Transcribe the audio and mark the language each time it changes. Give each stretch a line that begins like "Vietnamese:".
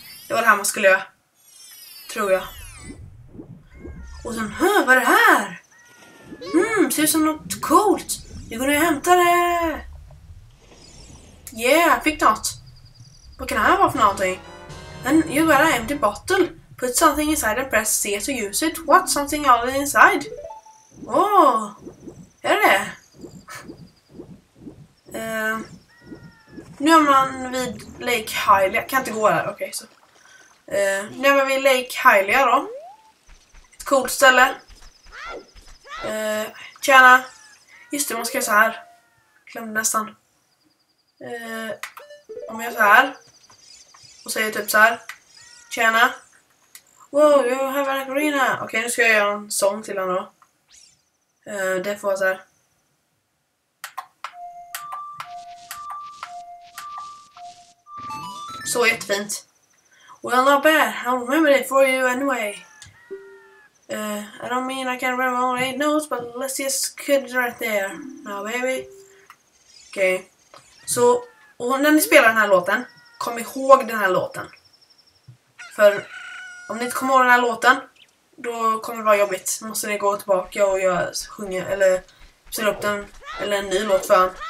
Swedish: Det var det här man skulle göra. Tror jag. Och sen, vad är det här? Ser ut som något coolt. Jag går ner och hämtar det. Yeah, fick något. Vad kan det här vara för någonting?
English: Then you got an empty bottle. Put something inside and press C to use it. What? Something all inside? Åh! Oh,
Swedish: är det? Nu är man vid Lake Hylia. Kan inte gå där, okej. Okay, nu är man vid Lake Hylia då. Ett coolt ställe. Tjena! Just det, man ska göra så här. Glömde nästan. Om jag så här. Och säger typ så här. Tjena.
English: Wow, you have an Ocarina.
Swedish: Okej, nu ska jag göra en sång till honom då. Det får vara så här. Så jättefint.
English: Well, not bad. I'll remember it for you anyway. I don't mean I can't remember all 8 notes, but let's just cut it right there. Now, baby. Okej.
Swedish: Så, och när ni spelar den här låten, kom ihåg den här låten. För om ni inte kommer ihåg den här låten, då kommer det vara jobbigt. Då måste ni gå tillbaka och sjunga, eller spela upp den, eller en ny låt för han.